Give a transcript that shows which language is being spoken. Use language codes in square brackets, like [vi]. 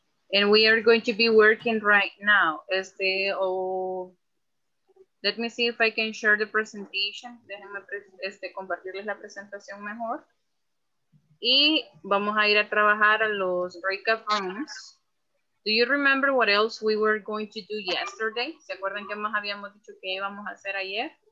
[en] And we are going to be working right now. Let me see if I can share the presentation. [es] Déjenme compartirles la presentación mejor. Y vamos a ir a trabajar a los breakout rooms. [en] Do you remember what else we were going to do yesterday? [es] ¿Se acuerdan qué más habíamos dicho que íbamos a hacer ayer?